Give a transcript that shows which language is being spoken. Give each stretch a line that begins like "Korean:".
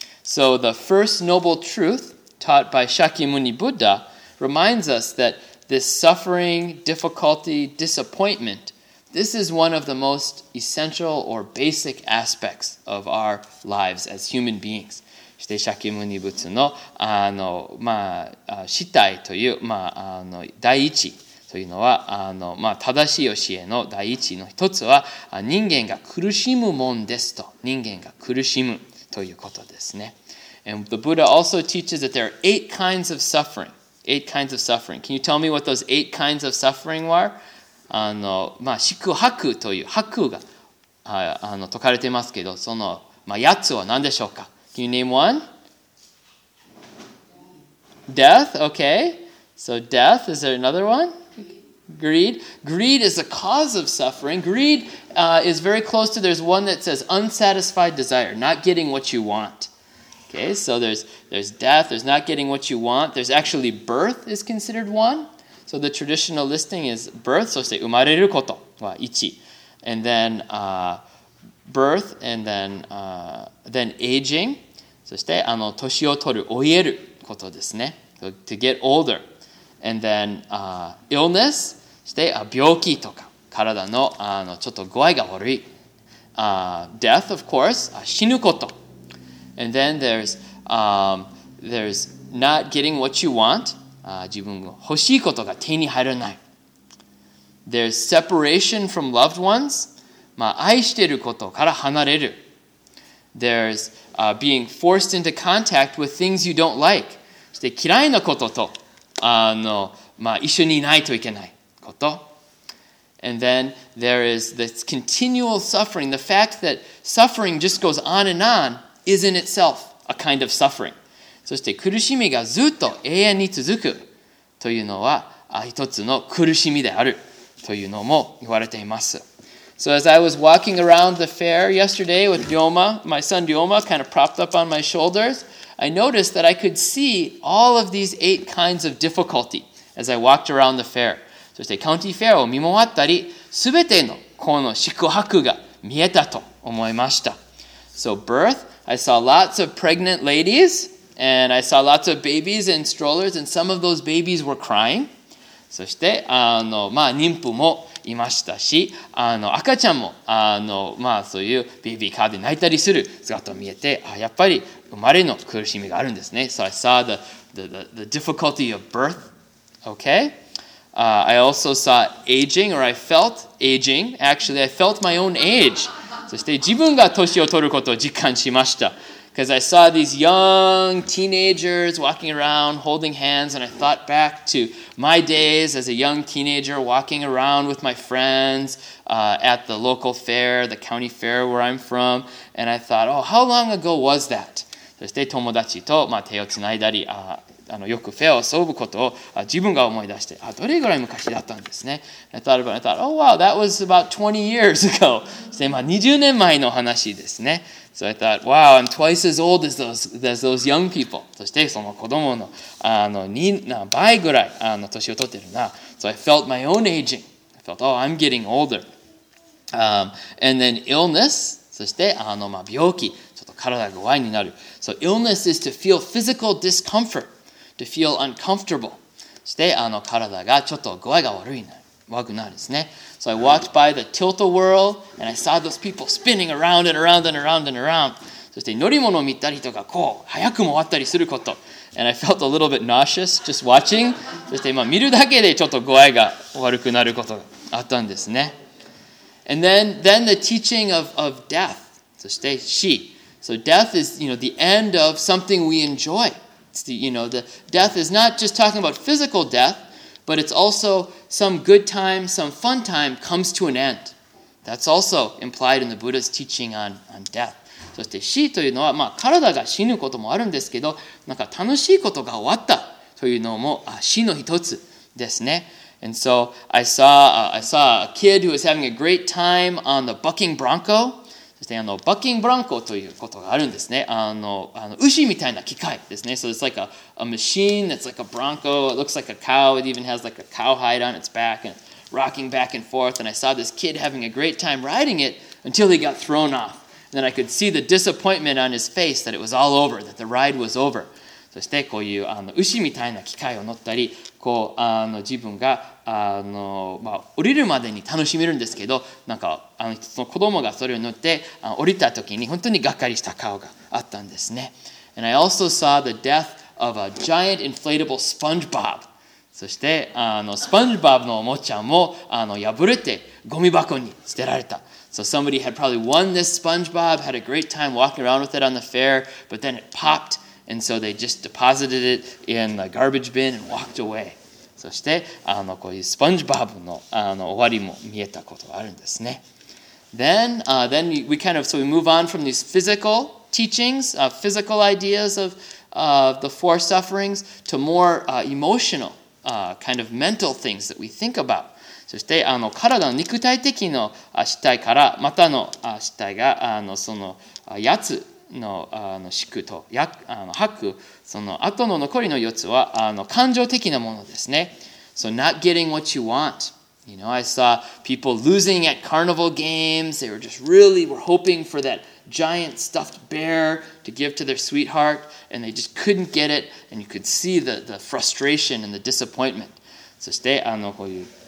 English: So the first noble truth taught by Shakyamuni Buddha reminds us that this suffering, difficulty, disappointment, this is one of the most essential or basic aspects of our lives as human beings.
Japanese: そして、シャキムニ仏の、まあ、死体という、まあ、第一というのは、まあ、正しい教えの第一の一つは、人間が苦しむもんですと、人間が苦しむということですね。
English: And the Buddha also teaches that there are eight kinds of suffering. Eight kinds of suffering. Can you tell me what those eight kinds of suffering were?
Japanese: まあ、四苦八苦という、八苦が、説かれていますけど、その、まあ、八つは何でしょうか?
English: Can you name one? Death, okay. So death, is there another one? Greed. Greed is a cause of suffering. Greed, is very close to, there's one that says unsatisfied desire, not getting what you want. Okay, so there's death, there's not getting what you want. There's actually birth is considered one. So the traditional listing is birth,
Japanese: そして生まれることは一.
English: And then birth, and then aging.
Japanese: そして、年を取る、老えることですね。
English: So, to get older. And then, illness.
Japanese: そして、病気とか、体の、ちょっと具合が悪い。
English: Death, of course.
Japanese: 死ぬこと。
English: And then there's not getting what you want.
Japanese: 自分が欲しいことが手に入らない。
English: There's separation from loved ones.
Japanese: まあ、愛していることから離れる。
English: There's being forced into contact with things you don't like.
Japanese: そして嫌いなことと、まあ、一緒にいないといけないこと。
English: And then there is this continual suffering. The fact that suffering just goes on and on is in itself a kind of suffering.
Japanese: そして苦しみがずっと永遠に続くというのは一つの苦しみであるというのも言われています。
English: So as I was walking around the fair yesterday with Ryoma, my son Ryoma kind of propped up on my shoulders, I noticed that I could see all of these eight kinds of difficulty as I walked around the fair.
Japanese: そしてカウンティーフェアを見回ったり、すべてのこの四苦八苦が見えたと思いました。
English: So birth, I saw lots of pregnant ladies, and I saw lots of babies in strollers, and some of those babies were crying.
Japanese: そしてまあ、妊婦もいましたし、赤ちゃんもまあ、そういうベビーカーで泣いたりする姿を見えて、あ、やっぱり生まれの苦しみがあるんですね。
English: So I saw the difficulty of birth. Okay? I also saw aging, or I felt aging. Actually, I felt my own age.
Japanese: そして自分が年を取ることを実感しました。
English: Because I saw these young teenagers walking around holding hands, and I thought back to my days as a young teenager walking around with my friends at the local fair, the county fair where I'm from, and I thought, oh, how long ago was that?
Japanese: そして友達と、まあ、手をつないだり、よくフェアを遊ぶことを自分が思い出して、あ、どれぐらい昔だったんですね。
English: I thought about it. I thought, oh wow, that was about 20 years ago.
Japanese: そして、まあ、20年前の話ですね。
English: So I thought, wow, I'm twice as old as those young people.
Japanese: そしてその子供の、倍ぐらい年を取ってるな。
English: So I felt my own aging. I felt, oh, I'm getting older. And then illness.
Japanese: そして、まあ、病気。ちょっと体が弱いになる。
English: So illness is to feel physical discomfort. To feel uncomfortable.
Japanese: そして体がちょっと具合が悪くなるですね。
English: So I walked by the tilt-a-whirl and I saw those people spinning around and around and around and around.
Japanese: そして乗り物を見たりとかこう早く回ったりすること。
English: And I felt a little bit nauseous just watching.
Japanese: そして今見るだけでちょっと具合が悪くなることがあったんですね。
English: And then the teaching of death.
Japanese: そして死。
English: So death is, you know, the end of something we enjoy. The death is not just talking about physical death, but it's also some good time, some fun time comes to an end. That's also implied in the Buddha's teaching on death.
Japanese: そして死というのは、まあ、体が死ぬこともあるんですけど、なんか楽しいことが終わったというのも死の一つですね。
English: And so I saw a kid who was having a great time on the bucking bronco.
Japanese: そしてバッキングブランコということがあるんですね。牛みたいな機械ですね。
English: So it's like a machine that's like a bronco. It looks like a cow. It even has like a cowhide on its back and rocking back and forth. And I saw this kid having a great time riding it until he got thrown off. And then I could see the disappointment on his face that it was all over, that the ride was over.
Japanese: そしてこういう牛みたいな機械を乗ったり、こう自分がまあ、降りるまでに楽しめるんですけど、なんかその子供がそれを乗って降りた時に本当にがっかりした顔があったんですね。
English: And I also saw the death of a giant inflatable SpongeBob.
Japanese: そしてSpongeBob のおもちゃも破れてゴミ箱に捨てられた。
English: So somebody had probably won this SpongeBob, had a great time walking around with it on the fair, but then it popped, and so they just deposited it in the garbage bin and walked away.
Japanese: そしてこういうスポンジバブの終わりも見えたことがあるんですね。
English: Then, then we kind of, so we move on from these physical teachings, physical ideas of the four sufferings to more emotional, kind of mental things that we think about.
Japanese: そして体の肉体的の死体からまたの死体がその八つの宿と吐くその後の残りの4つは感情的なものですね。
English: So not getting what you want. You know, I saw people losing at carnival games. They were just really were hoping for that giant stuffed bear to give to their sweetheart and they just couldn't get it and you could see the frustration and the disappointment.
Japanese: そしてこういう